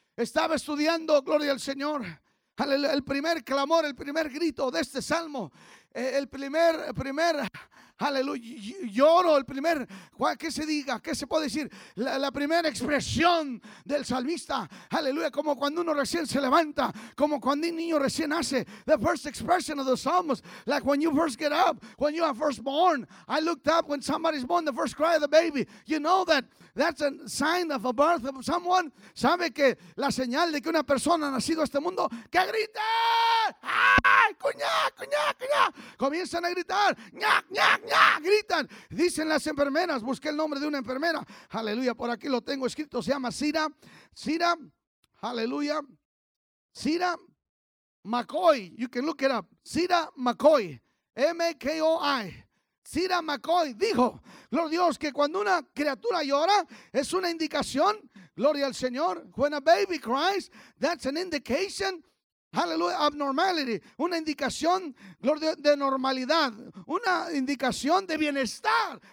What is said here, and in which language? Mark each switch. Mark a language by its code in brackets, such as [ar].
[es] Estaba estudiando, gloria al Señor, el primer clamor, el primer grito de este salmo, el primer aleluya, lloro, el primer, ¿qué se diga? ¿Qué se puede decir? La primera expresión del salmista, aleluya, como cuando uno recién se levanta, como cuando un niño recién nace. [en] The first expression of the psalmist, like when you first get up, when you are first born. I looked up when somebody's born, the first cry of the baby. You know that that's a sign of a birth of someone. [es] ¿Sabe que la señal de que una persona ha nacido a este mundo? ¡Que grita! ¡Ay! ¡Cuñá! ¡Cuñá! ¡Cuñá! Comienzan a gritar. ¡Ñac! ¡Ñac! Gritan, dicen las enfermeras. Busqué el nombre de una enfermera, aleluya, por aquí lo tengo escrito, se llama Sira, aleluya, Sira McCoy, [en] you can look it up, [es] Sira McCoy, M-K-O-I, Sira McCoy dijo, gloria a Dios, que cuando una criatura llora, es una indicación, gloria al Señor, [en] when a baby cries, that's an indication, hallelujah, abnormality, [es] una indicación, gloria a Dios, de normalidad, una indicación de bienestar.